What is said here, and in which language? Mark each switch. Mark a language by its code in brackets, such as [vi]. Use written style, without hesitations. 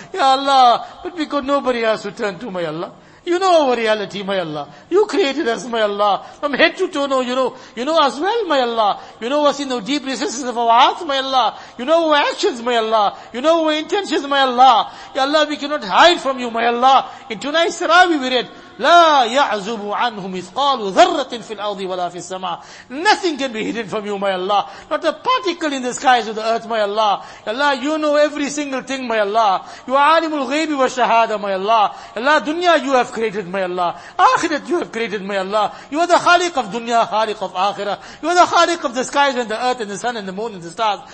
[en] Ya Allah, but because nobody has to turn to, my Allah. You know our reality, my Allah. You created us, my Allah. From head to toe, you know us well, my Allah. You know us in the deep recesses of our hearts, my Allah. You know our actions, my Allah. You know our intentions, my Allah. Ya Allah, we cannot hide from you, my Allah. In tonight's Tarawih we read, [ar] لا يعزب عنه مثقال ذرة في الأرض ولا في السماء. [en] Nothing can be hidden from you, my Allah. Not a particle in the skies or the earth, my Allah. Allah, you know every single thing, my Allah. You are alimul ghaybi wa shahada, my Allah. Allah, dunya you have created, my Allah. Akhirat you have created, my Allah. You are the khaliq of dunya, khaliq of akhirah. You are the khaliq of the skies and the earth and the sun and the moon and the stars.